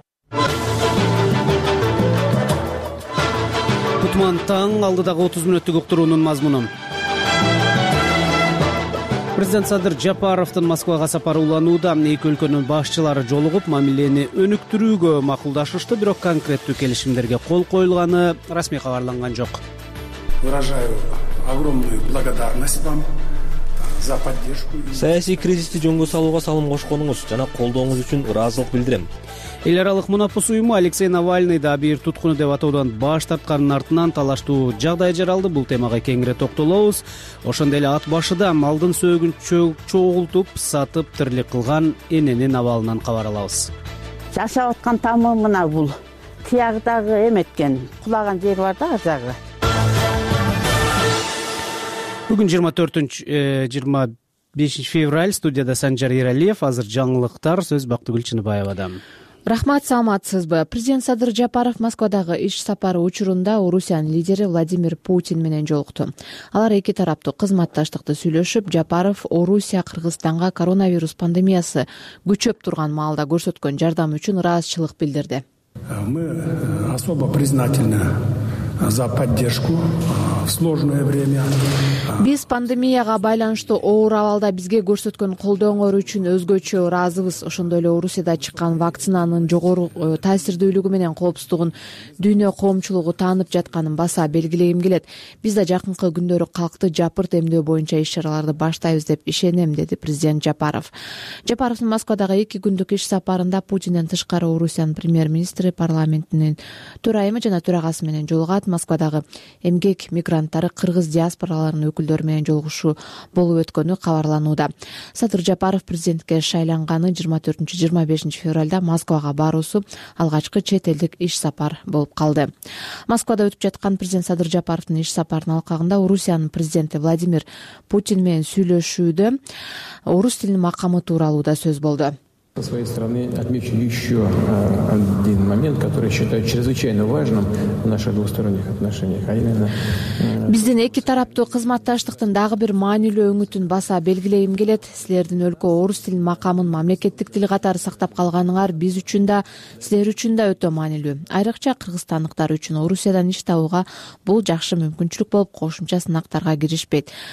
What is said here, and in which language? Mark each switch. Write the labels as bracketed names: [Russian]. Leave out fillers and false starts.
[Kyrgyz] Кутман таң алдыдагы 30 мүнөттүк уктуруунун мазмуну. Президент Садыр Жапаровдун Москвага сапары уланууда, эки өлкөнүн башчылары жолугуп, мамилени өнүктүрүүгө макулдашышты, бирок конкреттүү келишимдерге кол коюлганы расмий кабарланган жок. [Russian] Выражаю огромную благодарность вам за поддержку. [Kyrgyz] Саясий кризисти жөнгө салууга салым кошконуңуз жана колдооңуз үчүн ыраазылык билдирем. Эл аралык мунапыс уюму Алексей Навальный да бир туткуну деп атоодон баш тарткандын артынан талаштуу жагдай жаралды. Бул темага кеңири токтолобуз. Ошондой эле ат башыда малдын сөөгүн чогултуп сатып тирлик кылган эненин абалынан кабар алабыз. Жашап аткан тамы мына бул тыягыдагы эметкен кулаган жери бар да азагы. Бүгүн 24-25 февраль, студияда Санжар Эралиев, азыр жаңылыктар, сөз Бактыгүл Чыныбаевада. Рахмат, саламатсызбы. Президент Садыр Жапаров Москвадагы иш сапары учурунда Орусиянын лидери Владимир Путин менен жолукту. Алар эки тараптуу кызматташтыкты сүйлөшүп, Жапаров Орусия Кыргызстанга коронавирус пандемиясы күчөп турган маалда көрсөткөн жардам үчүн ыраазычылык билдирди. [Russian] Мы особо признательны за поддержку в сложное время. [Kyrgyz] Биз пандемияга байланыштуу оор абалда бизге көрсөткөн колдооңор үчүн өзгөчө ыраазыбыз. Ошондой эле Орусияда чыккан вакцинанын жогору таасирдүүлүгү менен коопсуздугун дүйнө коомчулугу таанып жатканын баса белгилегим келет. Биз да жакынкы күндөрү калкты жапырт эмдөө боюнча иш чараларды баштайбыз деп ишенем, деди президент Жапаров. Жапаровдун Москвадагы эки күндүк иш сапарында Путинден тышкары Орусиянын премьер-министри парламентинин төрайымы жана төрагасы менен жолу Москвадагы эмгек мигранттары кыргыз диаспораларынын өкүлдөрү менен жолугушуу болуп өткөнү кабарланууда. Садыр Жапаров президентке шайланганы 24-25 февралда Москвага баруусу алгачкы чет элдик иш сапар болуп калды. Москвада өтүп жаткан президент Садыр Жапаровдун иш сапарынын алкагында Орусиянын президенти Владимир Путин менен сүйлөшүүдө орус тилинин макамы тууралуу да сөз болду. [Russian] Со своей стороны отмечу еще один момент, который считаю чрезвычайно важным в наших двусторонних отношениях, а именно... [Kyrgyz] Биздин эки тараптуу кызматташтыктын дагы бир маанилүү өңүтүн баса белгилегим келет. Силердин өлкө орус тилинин макамын мамлекеттик тил катары сактап калганыңар биз үчүн да, силер үчүн да өтө маанилүү. Айрыкча кыргызстандыктар үчүн Орусиядан иш табууга бул жакшы мүмкүнчүлүк болуп, кошумча сынактарга киришпейт.